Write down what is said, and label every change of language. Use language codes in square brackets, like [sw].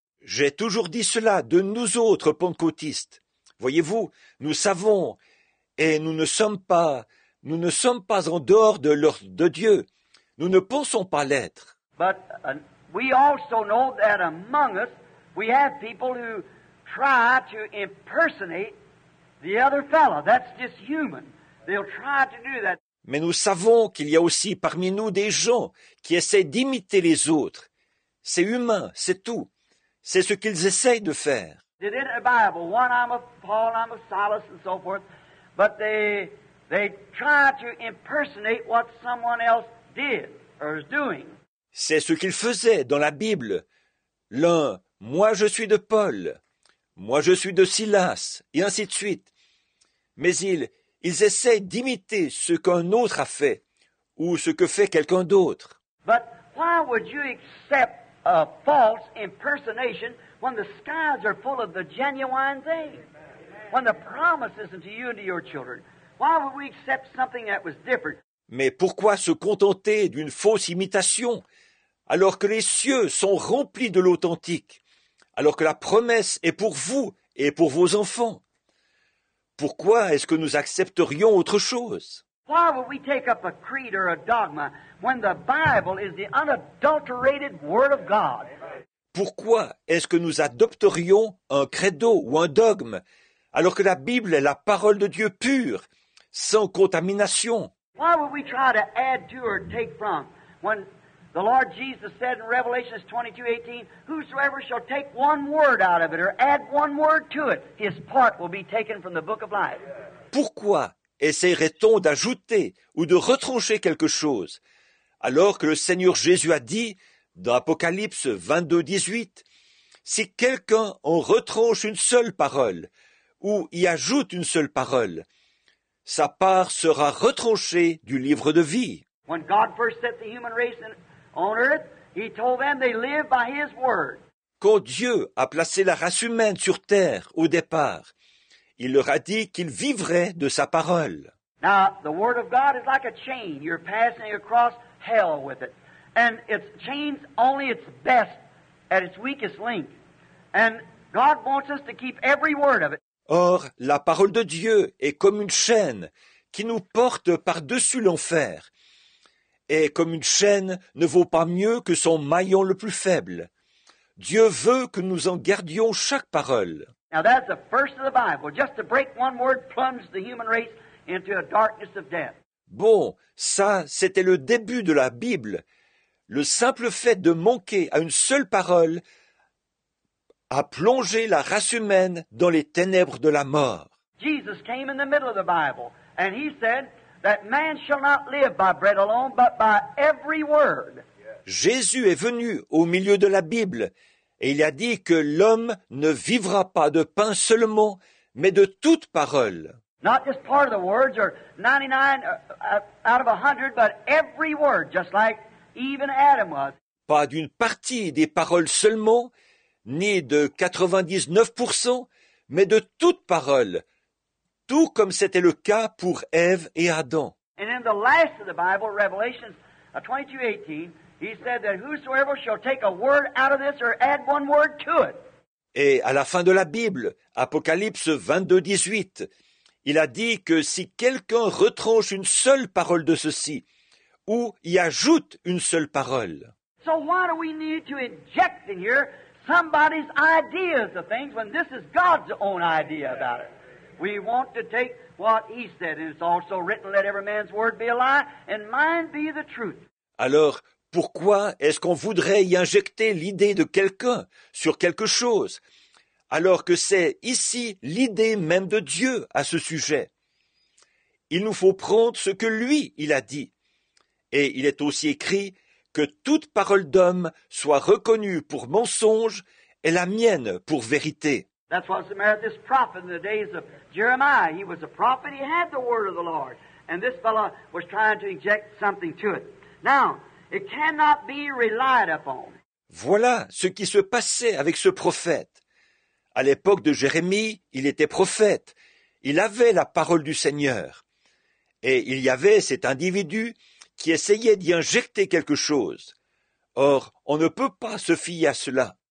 [fr] J'ai toujours dit cela de nous autres pentecôtistes. Voyez-vous, nous savons, et nous ne sommes pas en dehors de l'ordre de Dieu. Nous ne pensons pas l'être. [en] But we also know that among us. We have people who try to impersonate the other fellow. That's just human. They'll try to do that. [fr] Mais nous savons qu'il y a aussi parmi nous des gens qui essaient d'imiter les autres. C'est humain, c'est tout. C'est ce qu'ils essaient de faire. [en] They did it in the Bible. One, I'm a Paul, I'm a Silas, and so forth. But they try to impersonate what someone else did or is doing. [fr] C'est ce qu'ils faisaient dans la Bible. L'un, moi je suis de Paul, moi je suis de Silas, et ainsi de suite. Mais ils essaient d'imiter ce qu'un autre a fait, ou ce que fait quelqu'un d'autre. [en] But why would you accept a false impersonation when the skies are full of the genuine thing? When the promise isn't to you and to your children? Why would we accept something that was different? [fr] Mais pourquoi se contenter d'une fausse imitation? Alors que les cieux sont remplis de l'authentique, alors que la promesse est pour vous et pour vos enfants, pourquoi est-ce que nous accepterions autre chose? [en] Why would we take up a creed or a dogma when the Bible is the unadulterated word of God? [fr] Pourquoi est-ce que nous adopterions un credo ou un dogme alors que la Bible est la parole de Dieu pure, sans contamination? [en] Why would we try to add to or take from when the Lord Jesus said in Revelation 22:18, whosoever shall take one word out of it or add one word to it, his part will be taken from the book of life. [fr] Pourquoi essaierait-on d'ajouter ou de retrancher quelque chose alors que le Seigneur Jésus a dit dans Apocalypse 22:18, si quelqu'un en retranche une seule parole ou y ajoute une seule parole, sa part sera retranchée du livre de vie? [en] When God first set the human race in on earth, he told them they live by his word. [fr] Quand Dieu a placé la race humaine sur terre au départ, il leur a dit qu'ils vivraient de sa parole. [en] Now, the word of God is like a chain. You're passing across hell with it. And it chains only its best at its weakest link. And God wants us to keep every word of it. [fr] Or, la parole de Dieu est comme une chaîne qui nous porte par-dessus l'enfer. Et comme une chaîne ne vaut pas mieux que son maillon le plus faible. Dieu veut que nous en gardions chaque parole. [en] Now that's the first of the Bible. Just to break one word plunges the human race into a darkness of death. [fr] Bon, ça, c'était le début de la Bible. Le simple fait de manquer à une seule parole a plongé la race humaine dans les ténèbres de la mort. [en] Jesus came in the middle of the Bible and he said that man shall not live by bread alone, but by every word. [fr] Jésus est venu au milieu de la Bible, et il a dit que l'homme ne vivra pas de pain seulement, mais de toute parole. [en] Not just part of the words, or 99 out of 100, but every word, just like even Adam was. [fr] Pas d'une partie des paroles seulement, ni de 99%, mais de toute parole, tout comme c'était le cas pour Ève et Adam. [en] And in the last of the Bible, Revelation 22:18, he said that whosoever shall take a word out of this or add one word to it. [fr] Et à la fin de la Bible, Apocalypse 22:18, il a dit que si quelqu'un retranche une seule parole de ceci ou y ajoute une seule parole. [en] So why do we need to inject in here somebody's ideas of things when this is God's own idea about it? We want to take what he said, and it's also written, let every man's word be a lie, and mine be the truth. [fr] Alors, pourquoi est-ce qu'on voudrait y injecter l'idée de quelqu'un sur quelque chose, alors que c'est ici l'idée même de Dieu à ce sujet? Il nous faut prendre ce que lui, il a dit. Et il est aussi écrit que toute parole d'homme soit reconnue pour mensonge et la mienne pour vérité. [en] That's what Samaritan's prophet in the days of Jeremiah. He was a prophet. He had the word of the Lord. And this fellow was trying to inject something to it. Now, It cannot be relied upon. [fr] Voilà ce qui se passait avec ce prophète. À l'époque de Jérémie, il était prophète. Il avait la parole du Seigneur. Et il y avait cet individu qui essayait d'y injecter quelque chose. Or, on ne peut pas se fier à cela.